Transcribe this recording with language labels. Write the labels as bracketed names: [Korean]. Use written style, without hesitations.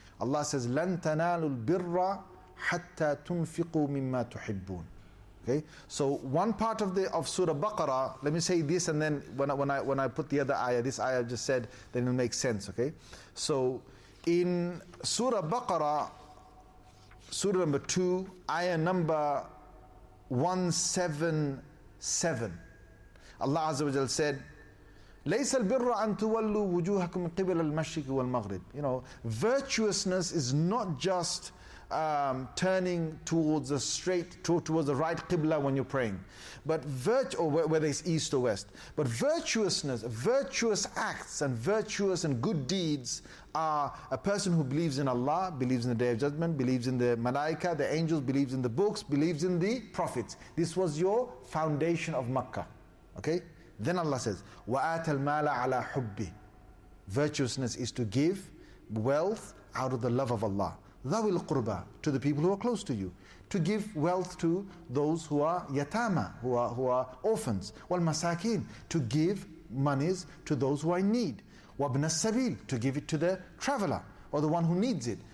[English] Allah says, [Arabic] لَن تَنَالُوا الْبِرَّ حَتَّى تُنْفِقُوا مِمَّا تُحِبُّونَ. [English] Okay, so one part of the of Surah Baqarah, let me say this, and then when I put the other ayah, this ayah just said, then it'll make sense. Okay, so in Surah Baqarah, Surah number 2, ayah number 177, Allah Azza wa Jalla said, [Arabic] "ليس البر أن تولوا وجوهكم قبل المشرق والمغرب." [English] You know, virtuousness is not just turning towards the straight, towards the right qibla when you're praying, but whether it's east or west. But virtuousness, virtuous acts, and virtuous and good deeds are a person who believes in Allah, believes in the Day of Judgment, believes in the Malaika, the angels, believes in the books, believes in the prophets. This was your foundation of Makkah. Okay? Then Allah says, [Arabic] وَآتَ الْمَالَ عَلَىٰ حُبِّهِ. [English] Virtuousness is to give wealth out of the love of Allah. [Arabic] ذَوِ الْقُرْبَىٰ, [English] to the people who are close to you. To give wealth to those who are yatama, who are orphans. [Arabic] وَالْمَسَاكِينَ, [English] to give monies to those who are in need. [Arabic] وَابْنَ السَّبِيلِ, [English] to give it to the traveler or the one who needs it.